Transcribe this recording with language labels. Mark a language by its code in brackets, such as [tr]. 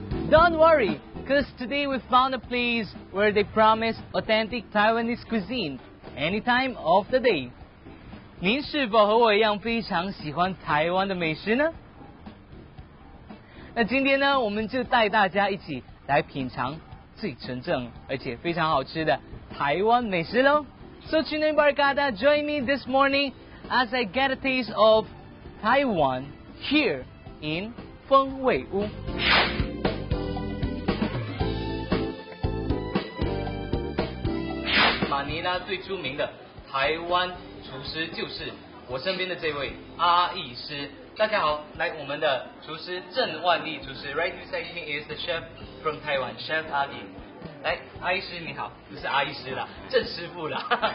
[en] Don't worry, because today we found a place where they promise authentic Taiwanese cuisine any time of the day. [zh] 您是否和我一样非常喜欢台湾的美食呢？那今天呢，我们就带大家一起来品尝最纯正而且非常好吃的台湾美食咯。 [en] So, CHInoy Barkada, join me this morning as I get a taste of Taiwan here in 風味屋。 [zh] 馬尼拉最出名的台灣廚師就是我身邊的這位阿義師。大家好，來我們的廚師鄭萬麗廚師。 [en] Right beside me is the chef from Taiwan, Chef 阿義。 [zh] 来，阿姨师你好，不是阿姨师啦，郑师傅啦。